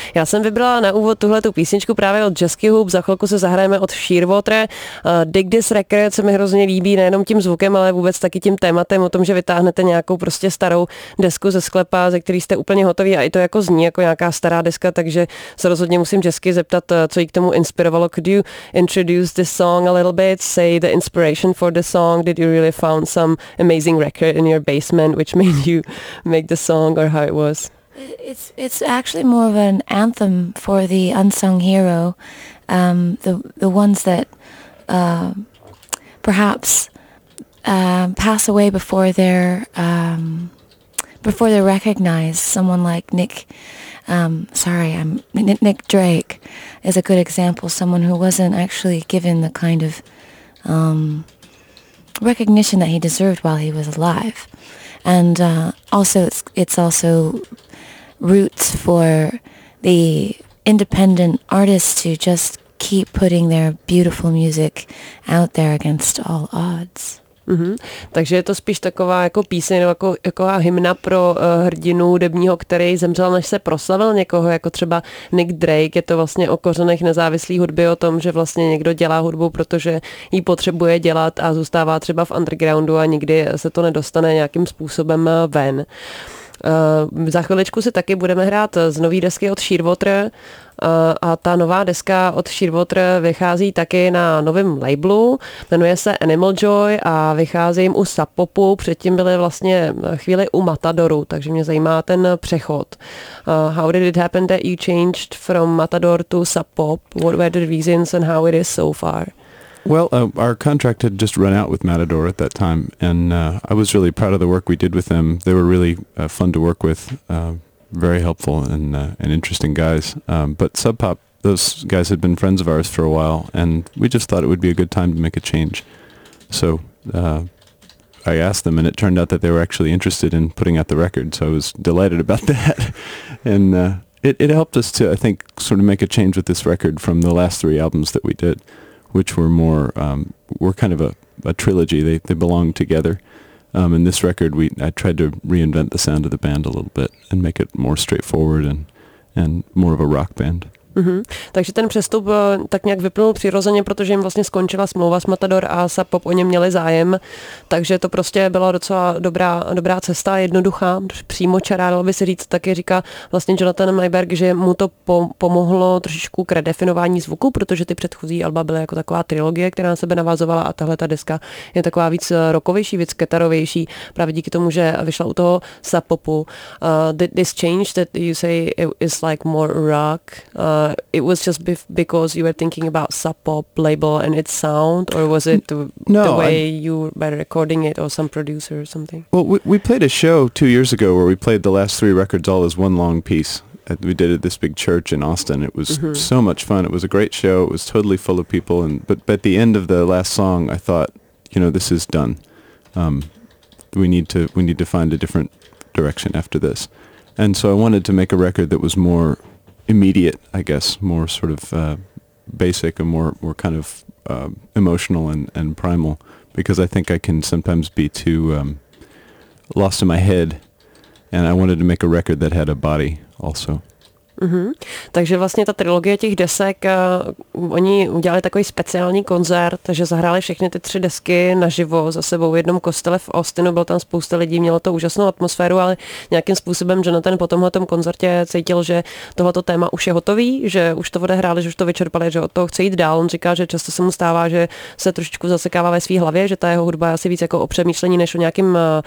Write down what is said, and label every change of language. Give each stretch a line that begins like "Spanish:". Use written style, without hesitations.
Czech: Já jsem vybrala na úvod tuhletu písničku právě od Jessica Hoop, za chvilku se zahrajeme od Shearwater. Dig This Record se mi hrozně líbí nejenom tím zvukem, ale vůbec taky tím tématem o tom, že vytáhnete nějakou prostě starou desku ze sklepa, ze který jste úplně hotový a i to jako zní jako nějaká stará deska, takže se rozhodně musím česky zeptat, co jí k tomu inspirovalo.
English: Could you introduce this song a little bit? Say the inspiration for the song. Did you really found some amazing record in your basement which made you make the song or how it was? It's actually more of an anthem for the unsung hero, the ones that perhaps pass away before they're before they recognize. Someone like Nick Drake is a good example. Someone who wasn't actually given the kind of recognition that he deserved while he was alive, and also it's also roots for the independent artists to just keep putting their beautiful music out there against all odds. Mm-hmm.
Czech: Takže je to spíš taková jako píseň nebo jako, jako hymna pro hrdinu hudebního, který zemřel, než se proslavil někoho, jako třeba Nick Drake. Je to vlastně o kořenech nezávislý hudby, o tom, že vlastně někdo dělá hudbu, protože ji potřebuje dělat a zůstává třeba v undergroundu a nikdy se to nedostane nějakým způsobem ven. Za chviličku si taky budeme hrát z nový desky od Sheerwater a ta nová deska od Sheerwater vychází taky na novém labelu, jmenuje se Animal Joy a vychází jim u Sub Popu, předtím byly vlastně chvíli u Matadoru, takže mě zajímá ten přechod.
English: How did it happen that you changed from Matador to Sub Pop? What were the reasons and how it is so far? Well, our contract had just run out with Matador at that time, and I was really proud of the work we did with them. They were really fun to work with, very helpful and interesting guys. But Sub Pop, those guys had been friends of ours for a while, and we just thought it would be a good time to make a change. So I asked them, and it turned out that they were actually interested in putting out the record, so I was delighted about that. And it helped us to, I think, sort of make a change with this record from the last three albums that we did, which were more, were kind of a trilogy. They belong together. In this record, I tried to reinvent the sound of the band a little bit and make it more straightforward and more of a rock band. Mm-hmm.
Czech: Takže ten přestup tak nějak vyplnul přirozeně, protože jim vlastně skončila smlouva s Matador a Sub Pop o něm měli zájem, takže to prostě byla docela dobrá cesta, jednoduchá, přímočará, dalo by se říct, taky říká vlastně Jonathan Myberg, že mu to pomohlo trošičku k redefinování zvuku, protože ty předchozí alba byly jako taková trilogie, která na sebe navazovala a tahle ta deska je taková víc rockovější, víc kytarovější, právě díky tomu, že vyšla u toho Sub Popu.
English: This change that you say is like more rock. It was just because you were thinking about Sub Pop label and its sound, or was it you were recording it or some producer or something? Well, we played a show 2 years ago where we played the last three records all as one long piece. We did it at this big church in Austin. It was mm-hmm. so much fun. It was a great show. It was totally full of people. But at the end of the last song, I thought, you know, this is done. We need to find a different direction after this. And so I wanted to make a record that was more immediate, I guess, more sort of basic and more kind of emotional and primal, because I think I can sometimes be too lost in my head, and I wanted to make a record that had a body also. Mm-hmm.
Czech: Takže vlastně ta trilogie těch desek, oni udělali takový speciální koncert, že zahráli všechny ty tři desky naživo za sebou v jednom kostele v Austinu, bylo tam spousta lidí, mělo to úžasnou atmosféru, ale nějakým způsobem Jonathan po tomhle tom koncertě cítil, že tohleto téma už je hotový, že už to odehráli, že už to vyčerpali, že od toho chce jít dál. On říká, že často se mu stává, že se trošičku zasekává ve své hlavě, že ta jeho hudba je asi víc jako o přemýšlení než o nějakým